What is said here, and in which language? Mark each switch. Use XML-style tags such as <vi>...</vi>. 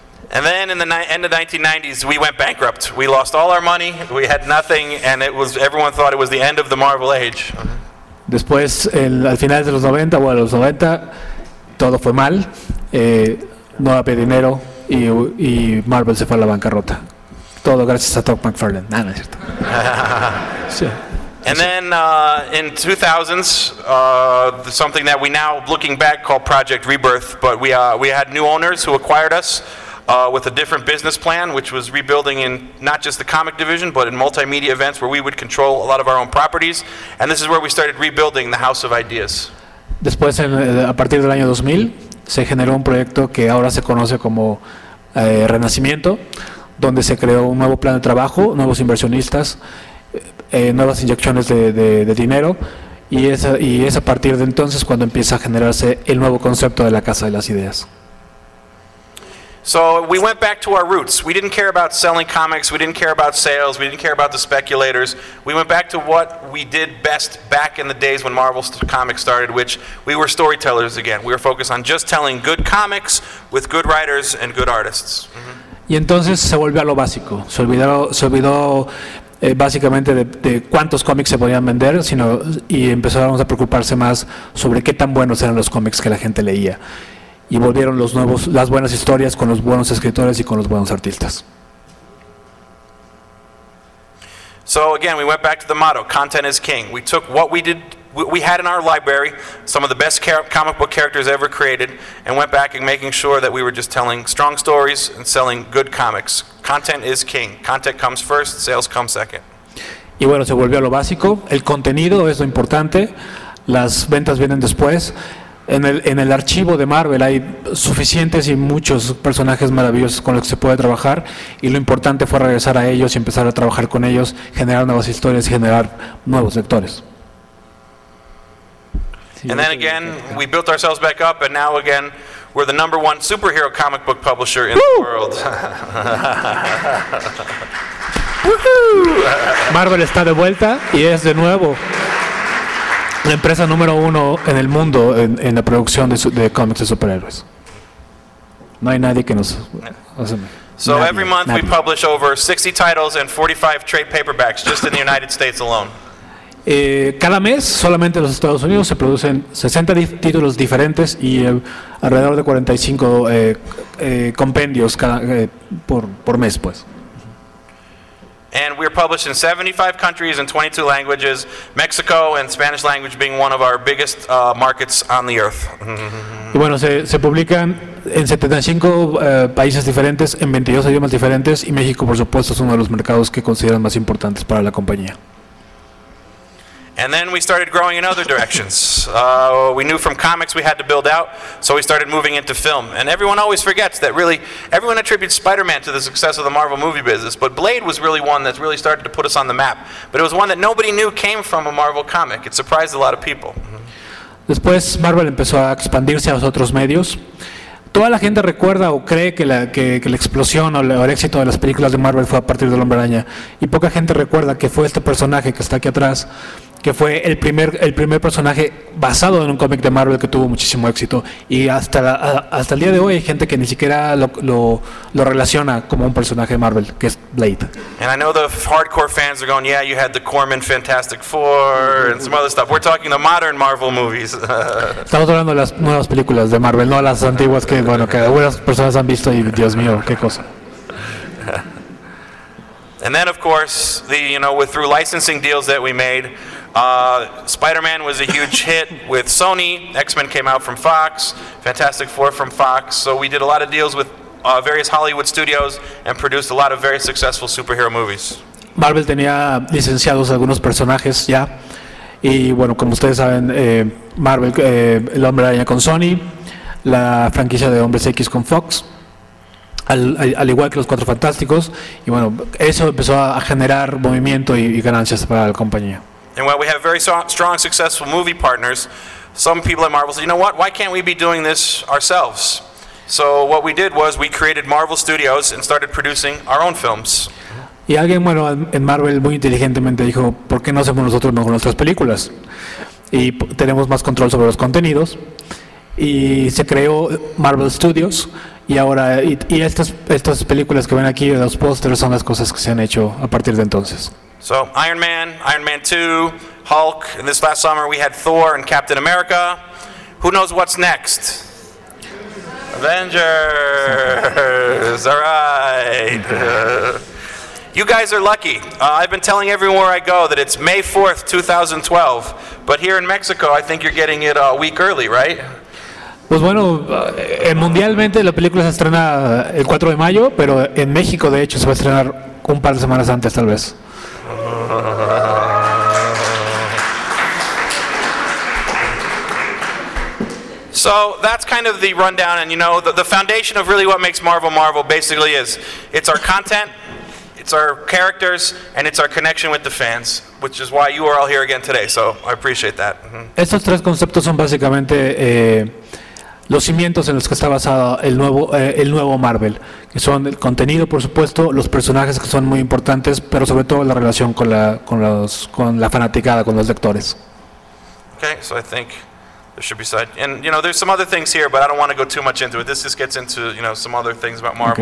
<en>And then in the end of the 1990s, we went bankrupt. We lost all our money, we had nothing, and everyone thought it was the end of the Marvel age.</en> <es>Después, al final de los 90, bueno, los 90, todo fue mal. No había dinero y Marvel se fue a la bancarrota. Todo gracias a Todd McFarlane. Nada, no es cierto. Sí.</es> <en>And then in 2000s, something that we now, looking back, call Project Rebirth, but we had new owners who acquired us with a different business plan, which was rebuilding in not just the comic division, but in multimedia events where we would control a lot of our own properties. And this is where we started rebuilding the House of Ideas.</en> <es>Después, a partir del año 2000, se generó un proyecto que ahora se conoce como Renacimiento, donde se creó un nuevo plan de trabajo, nuevos inversionistas, nuevas inyecciones de dinero, y es a partir de entonces cuando empieza a generarse el nuevo concepto de la Casa de las Ideas.</es> <en>So we went back to our roots. We didn't care about selling comics, we didn't care about sales, we didn't care about the speculators. We went back to what we did best back in the days when Marvel Comics started, which we were storytellers again. We were focused on just telling good comics with good writers and good artists.</en> <es>Mm-hmm. Y entonces se volvió a lo básico. Se olvidó básicamente de cuántos cómics se podían vender, sino y empezamos a preocuparse más sobre qué tan buenos eran los cómics que la gente leía. Y volvieron las buenas historias con los buenos escritores y con los buenos artistas.</es> <en>So again, we went back to the motto, content is king. We took what we had in our library, some of the best comic book characters ever created, and went back and making sure that we were just telling strong stories and selling good comics. Content is king. Content comes first, sales come second.</en> <es>Y bueno, se volvió a lo básico. El contenido es lo importante. Las ventas vienen después. En el archivo de Marvel hay suficientes y muchos personajes maravillosos con los que se puede trabajar, y lo importante fue regresar a ellos y empezar a trabajar con ellos, generar nuevas historias y generar nuevos lectores.</es> <en>And then again, we built ourselves back up, and now again, we're the number one superhero comic book publisher in the world.</en> <es>Marvel está de vuelta y es de nuevo la empresa número uno en el mundo en la producción de cómics de superhéroes. No hay nadie que nos...</es> <en>So every month we publish over 60 titles and 45 trade paperbacks just in the United States alone.</en> <es>Cada mes, solamente en los Estados Unidos, se producen 60 títulos diferentes y alrededor de 45 compendios por mes, pues.</es> <en>And we're published in 75 countries and 22 languages, Mexico and Spanish language being one of our biggest markets on the earth.</en> <es>Y bueno, se publican en 75 países diferentes, en 22 idiomas diferentes, y México, por supuesto, es uno de los mercados que consideran más importantes para la compañía.</es> <en>And then we started growing in other directions. We knew from comics we had to build out, so we started moving into film. And everyone always forgets that really, everyone attributes Spider-Man to the success of the Marvel movie business, but Blade was really one that really started to put us on the map. But it was one that nobody knew came from a Marvel comic. It surprised a lot of people.</en> <es>Después Marvel empezó a expandirse a los otros medios. Toda la gente recuerda o cree que la explosión o el éxito de las películas de Marvel fue a partir del Hombre Araña. Y poca gente recuerda que fue este personaje que está aquí atrás, que fue el primer personaje basado en un cómic de Marvel que tuvo muchísimo éxito. Y hasta el día de hoy hay gente que ni siquiera lo relaciona como un personaje de Marvel, que es Blade.</es> <en>And I know the hardcore fans are going, yeah, you had the Corman Fantastic Four and some other stuff. We're talking the modern Marvel movies.</en> <es>Estamos hablando de las nuevas películas de Marvel, no las antiguas que, bueno, que algunas personas han visto y, Dios mío, qué cosa.</es> <en>And then, of course, through licensing deals that we made, Spider-Man was a huge hit with Sony, X-Men came out from Fox, Fantastic Four from Fox, so we did a lot of deals with various Hollywood studios and produced a lot of very successful superhero movies.</en> <es>Marvel tenía licenciados algunos personajes ya, y bueno, como ustedes saben, Marvel, el Hombre Araña con Sony, la franquicia de Hombres X con Fox, al igual que los Cuatro Fantásticos, y bueno, eso empezó a generar movimiento y ganancias para la compañía.</es> <en>And while we have very strong, successful movie partners, some people at Marvel said, you know what, why can't we be doing this ourselves? So what we did was we created Marvel Studios and started producing our own films.</en> <es>Y alguien, bueno, en Marvel muy inteligentemente dijo, ¿por qué no hacemos nosotros mejor nuestras películas? Y tenemos más control sobre los contenidos. Y se creó Marvel Studios. Y ahora, y estas películas que ven aquí, los pósters, son las cosas que se han hecho a partir de entonces.</es> <en>So, Iron Man, Iron Man 2, Hulk, and this last summer we had Thor and Captain America. Who knows what's next? Avengers! All right! You guys are lucky. I've been telling everywhere I go that it's May 4th, 2012, but here in Mexico, I think you're getting it a week early, right?</en> <es>Pues bueno, mundialmente la película se estrena el 4 de mayo, pero en México, de hecho, se va a estrenar un par de semanas antes, tal vez.</es> <en>So that's kind of the rundown, and you know, the foundation of really what makes Marvel Marvel basically is, it's our content, it's our characters, and it's our connection with the fans, which is why you are all here again today, so I appreciate that. Mm-hmm.</en> <es>Estos tres conceptos son básicamente los cimientos en los que está basado el nuevo Marvel, que son el contenido, por supuesto, los personajes que son muy importantes, pero sobre todo la relación con la fanaticada, con los lectores.</es> <en>Okay, so I think there should be side. And you know, there's some other things here, but I don't want to go too much into it. This just gets into, you know, some other things about Marvel.</en>